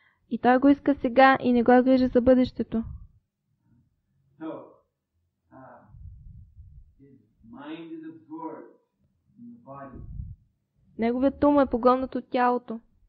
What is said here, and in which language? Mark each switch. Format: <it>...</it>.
<bg>И той го иска сега и не го грижи за бъдещето.</bg> <en>So, his mind is absorbed in the body.</en> <bg>Неговият ум е погълнат от тялото.</bg>